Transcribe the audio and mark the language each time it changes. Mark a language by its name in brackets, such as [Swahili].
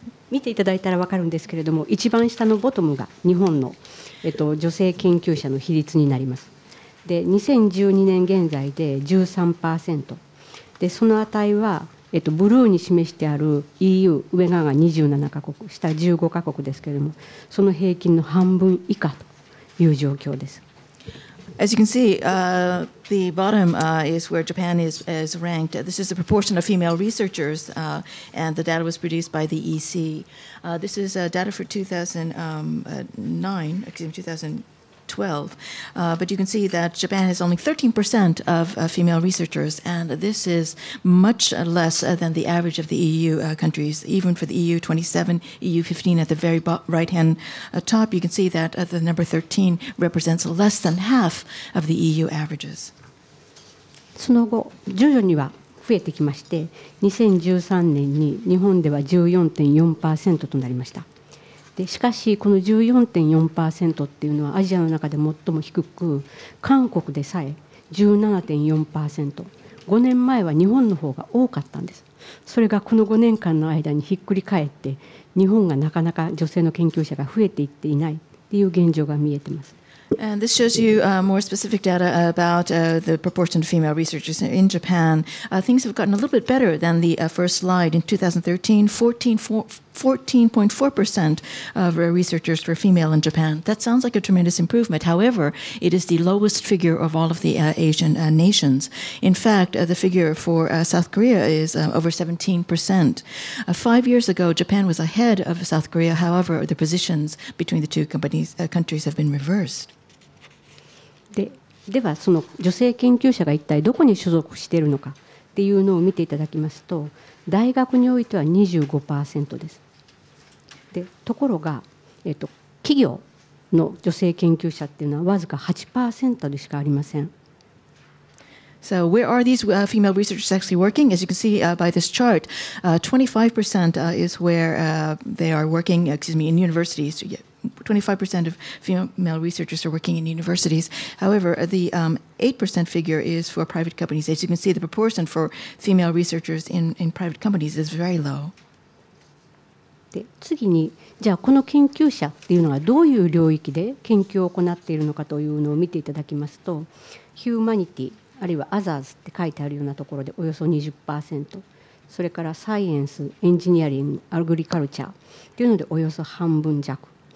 [Japanese] 見ていただいたら分かるんですけれども、一番下のボトムが日本の、女性研究者の比率になります。で2012年現在で 13% でその値は、ブルーに示してある EU 上側が27カ国下15カ国ですけれどもその平均の半分以下という状況です。 [English] As you can see, the bottom is where Japan is ranked. This is the proportion of female researchers, and the data was produced by the EC. This is data for 2012, but you can see that Japan has only 13% of female researchers, and this is much less than the average of the EU countries. Even for the EU 27, EU 15, at the very right-hand top, you can see that the number 13 represents less than half of the EU averages. [Japanese] その後、徐々には増えてきまして、2013年に日本では 14.4% となりました。でしかしこの 14.4% っていうのはアジアの中で最も低く韓国でさえ 17.4% 5年前は日本の方が多かったんですそれがこの5年間の間にひっくり返って日本がなかなか女性の研究者が増えていっていないっていう現状が見えてます [English] And this shows you more specific data about the proportion of female researchers in Japan. Things have gotten a little bit better than the first slide. In 2013, 14.4% of researchers were female in Japan. That sounds like a tremendous improvement. However, it is the lowest figure of all of the Asian nations. In fact, the figure for South Korea is over 17%. 5 years ago, Japan was ahead of South Korea. However, the positions between the two countries have been reversed. [Japanese] ではその女性研究者が一体どこに所属しているのかっていうのを見ていただきますと大学においては 25% ですでところが、企業の女性研究者っていうのはわずか 8% でしかありません [English] So where are these female researchers actually working? As you can see by this chart, 25% is where they are working, in universities. 25% of female researchers are working in universities. However, the 8% figure is for private companies. As you can see, the proportion for female researchers in private companies is very low. [Japanese] で次に、じゃあこの研究者っていうのはどういう領域で研究を行っているのかというのを見ていただきますと、ヒューマニティ、あるいはアザーズって書いてあるようなところでおよそ 20%、それからサイエンス、エンジニアリング、アグリカルチャーっていうのでおよそ半分弱。